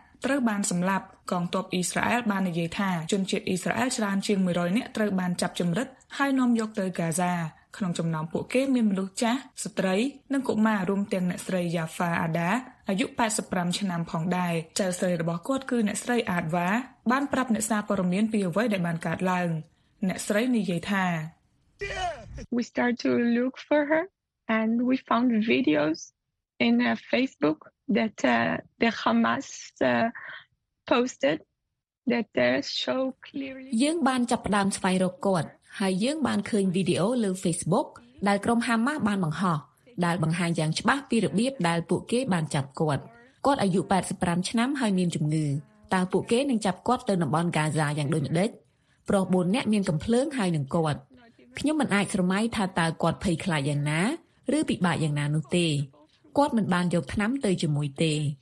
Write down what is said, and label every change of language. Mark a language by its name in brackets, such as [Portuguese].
[Khmer] ត្រូវបានសម្លាប់កងទ័ពអ៊ីស្រាអែលបាននិយាយថាជនជាតិអ៊ីស្រាអែលច្រើនជាង100នាក់ត្រូវបានចាប់ជំរិតហើយនាំយកទៅហ្គាហ្សាក្នុងចំណោមពួកគេមានមនុស្សចាស់ស្ត្រីនិងកុមាររួមទាំងអ្នកស្រីយ៉ាហ្វាអាដាអាយុ85ឆ្នាំផងដែរចៅស្រីរបស់គាត់គឺអ្នកស្រីអាដវ៉ាបានប្រាប់អ្នកសារព័ត៌មានពីអ្វីដែលបានកើតឡើងអ្នកស្រីនិយាយថា [English] We start to look for her and we found videos in Facebook that the Hamas posted that they show clearly [Khmer] យើងបានចាប់ផ្ដើមស្វែងរកគាត់ហើយយើងបានឃើញវីដេអូលើ Facebook ដែលក្រុមហាម៉ាស់បានបង្ហោះដែលបង្ហាញយ៉ាងច្បាស់ពីរបៀបដែលពួកគេបានចាប់គាត់គាត់អាយុ85ឆ្នាំហើយមានជំងឺតើពួកគេនឹងចាប់គាត់ទៅតំបន់កាហ្សាយ៉ាងដូចម្តេចប្រុស4នាក់មានកំភ្លើងហើយនឹងគាត់ខ្ញុំមិនអាចស្រមៃថាតើគាត់ភ័យខ្លាចយ៉ាងណាឬពិបាកយ៉ាងណានោះទេគាត់មិនបានយកថ្នាំទៅជាមួយទេ